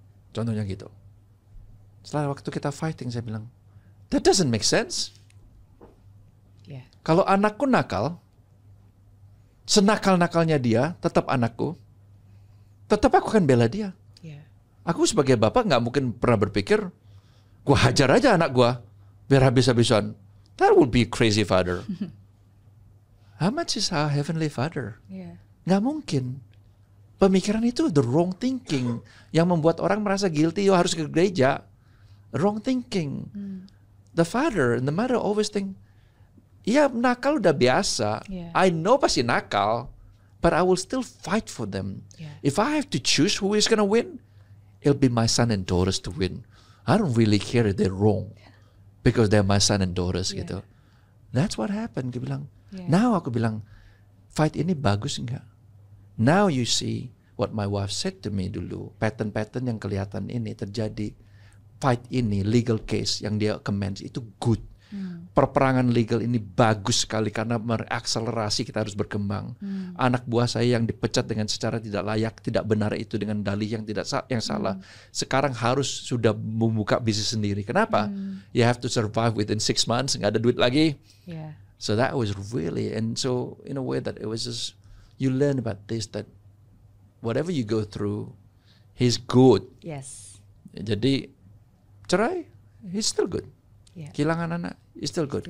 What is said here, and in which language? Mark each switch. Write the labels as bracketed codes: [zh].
[id] Contohnya gitu. Setelah waktu kita fighting, saya bilang, [en] that doesn't make sense. [id] Kalau anakku nakal, senakal-nakalnya dia, tetap anakku, tetap aku akan bela dia. Aku sebagai bapak gak mungkin pernah berpikir, gue hajar aja anak gue, biar habis-habisan. [en] That would be crazy father. How much is our heavenly father? [id] Gak mungkin. Pemikiran itu [en] the wrong thinking, [id] yang membuat orang merasa guilty, yo harus ke gereja. [en] Wrong thinking. The father and the mother always think, [id] ya nakal udah biasa. [en] I know [id] pasti nakal, [en] but I will still fight for them. If I have to choose who is gonna win, it'll be my son and daughters to win. I don't really care if they're wrong, because they're my son and daughters. Gitu. That's what happened. [id] Aku bilang, now aku bilang, fight ini bagus enggak? [en] Now you see what my wife said to me dulu. [id] Pattern-pattern yang kelihatan ini terjadi. Fight ini, legal case yang dia commence itu good. Perperangan legal ini bagus sekali karena mengakselerasi kita harus berkembang. Anak buah saya yang dipecat dengan secara tidak layak, tidak benar itu dengan dalih yang tidak yang salah. Sekarang harus sudah membuka bisnis sendiri. [en] Kenapa? You have to survive within 6 months, [id] nggak ada duit lagi. [en] So that was really, and so in a way that it was just, you learn about this, that whatever you go through, he's good. [id] Jadi cerai, [en] he's still good. [id] Kehilangan anak, [en] he's still good.